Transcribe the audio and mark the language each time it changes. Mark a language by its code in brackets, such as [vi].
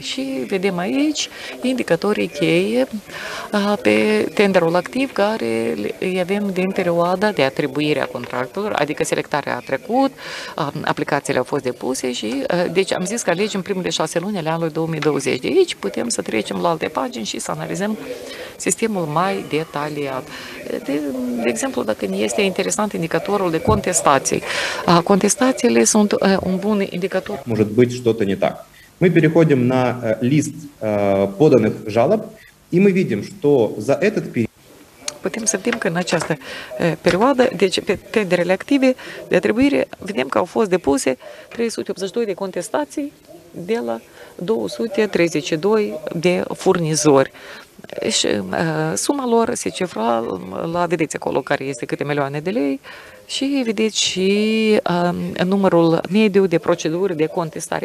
[ro] Și vedem aici indicatorii cheie pe tenderul activ care îi avem din perioada de atribuire a contractului, adică selectarea a trecut, aplicațiile au fost depuse și, deci am zis că alegem primele 6 luni ale anului 2020. De aici putem să trecem la alte pagini și să analizăm sistemul mai detaliat. De exemplu, dacă ne este interesant indicatorul de contestații. Contestațiile sunt un bun indicator. [ru] Что-то не так. Мы переходим на лист поданных жалоб, и мы видим, что за этот период... [ro] Putem să vedem că în această perioadă, deci pe tenderele active de atribuire, vedem că au fost depuse 382 de contestații de la 232 de furnizori. Și suma lor se cifra la, vedeți acolo care este câte milioane de lei, și vedeți și numărul mediu de proceduri de contestare.